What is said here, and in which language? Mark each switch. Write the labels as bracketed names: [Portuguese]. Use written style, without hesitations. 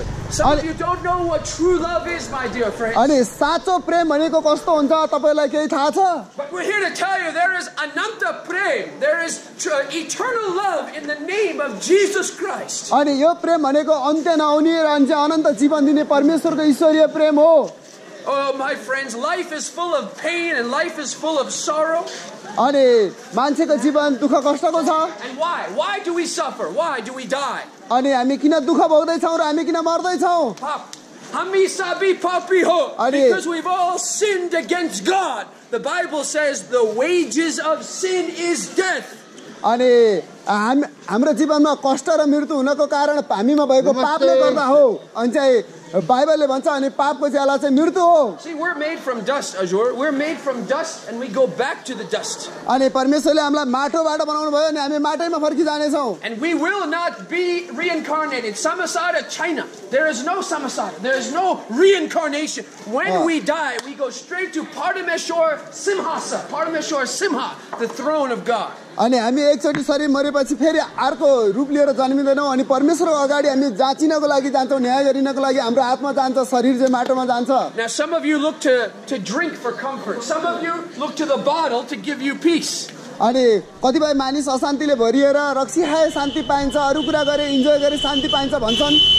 [English] Some of you don't know what true love is my dear friend [Nepali] अनि साँचो प्रेम भनेको कस्तो हुन्छ तपाईलाई केही थाहा छ [English] But we're here to tell you there is [Nepali] ananta prem [English] there is eternal love in the name of Jesus Christ [Nepali] अनि यो प्रेम भनेको अन्त्य नआउने र अनि अनन्त जीवन दिने परमेश्वरको ईश्वरीय प्रेम हो [English] Oh my friends life is full of pain and life is full of sorrow [Nepali] अनि मान्छेको जीवन दुःख कष्टको छ [English] And why do we suffer why do we die [Nepali] अनि हामी किन दुःख भोग्दै छौ र हामी किन मर्दै छौ हामी सबै पापी हो [English] because we've all sinned against God the bible says the wages of sin is death [Nepali] अनि हाम्रो जीवनमा कष्ट र मृत्यु हुनको कारण हामीमा भएको पापले गर्दा हो अनि चाहिँ बाइबलले भन्छ अनि पापको ज्याला चाहिँ मृत्यु हो [English] See we're made from dust Azure we're made from dust and we go back to the dust [Nepali] अनि परमेश्वरले हामीलाई माटोबाट बनाउनु भयो अनि हामी माटैमा फर्किजाने छौ [English] And we will not be reincarnated samsara china there is no samsara there is no reincarnation when we die we go straight to parameshwar simha the throne of god [Nepali] अनि हामी एकचोटि शरीर मरेपछि फेरि अर्को रूप लिएर जन्मिँदैनौँ अनि परमेश्वरको अगाडि हामी जाँचिनको लागि जान्छौँ न्याय गरिनको लागि हाम्रो आत्मा जान्छ शरीर चाहिँ माटोमा जान्छ [English] Now some of you look to drink for comfort some of you look to the bottle to give you peace [Nepali] अनि कतिपय मानिस अशान्तिले भरिएर रक्सी खाए शान्ति पाइन्छ अरू कुरा गरे इन्जोय गरे शान्ति पाइन्छ भन्छन्